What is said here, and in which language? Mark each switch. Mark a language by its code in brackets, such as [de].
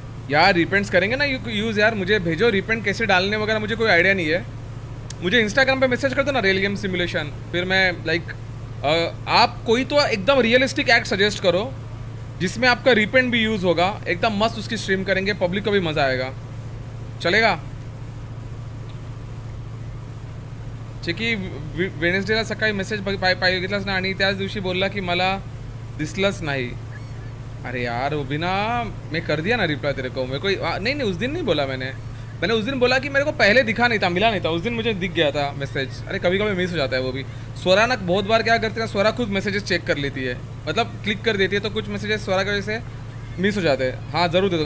[hi] यार रिपेंट्स करेंगे ना यूज़ यार, मुझे भेजो रिपेंट कैसे डालने वगैरह, मुझे कोई आइडिया नहीं है। मुझे इंस्टाग्राम पे मैसेज कर दो ना रियल गेम सिमुलेशन, फिर मैं लाइक आप कोई तो एकदम रियलिस्टिक एक्ट सजेस्ट करो जिसमें आपका रिपेंट भी यूज़ होगा, एकदम मस्त उसकी स्ट्रीम करेंगे, पब्लिक को भी मज़ा आएगा। [mr] चलेगा चिकी वेडनेसडे ला सकाळी मेसेज पाहिजेलास ना, आणि त्याच दिवशी बोलला की मला दिसलंच नाही. [hi] अरे यार उबिना, मैं कर दिया ना रिप्लाई तेरे को. मेरे को नहीं, उस दिन नहीं बोला मैंने. मैंने उस दिन बोला कि मेरे को पहले दिखा नहीं था, मिला नहीं था, उस दिन मुझे दिख गया था मैसेज. अरे कभी कभी मिस हो जाता है वो भी. स्वरा ना बहुत बार क्या करती है, स्वरा खुद मैसेजेस चेक कर लेती है, मतलब क्लिक कर देती है, तो कुछ मैसेजेस स्वरा की वजह से मिस हो जाते हैं. हाँ ज़रूर दे दो.